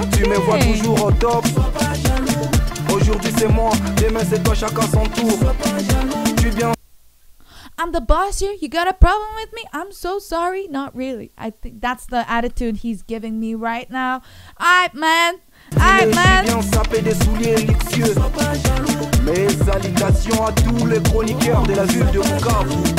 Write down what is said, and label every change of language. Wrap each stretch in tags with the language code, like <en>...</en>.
<fr>Tu me vois toujours au top. Aujourd'hui c'est moi, demain c'est toi, chacun son tour. Tu viens.</fr> <en>I'm the boss here. You got a problem with me? I'm so sorry. Not really. I think that's the attitude he's giving me right now. Aight man.</en> <fr>Tu viens saper des souliers luxueux. Mes salutations à tous les chroniqueurs de la ville de Bukavu.</fr>